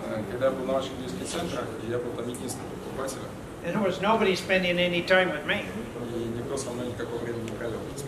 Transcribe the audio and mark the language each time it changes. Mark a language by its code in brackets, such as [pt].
[ru] Когда я был на ваших диских центрах, я был там единственным покупателем. [en] And there was nobody spending any time with me. [ru] И никто со мной никакого времени не провел.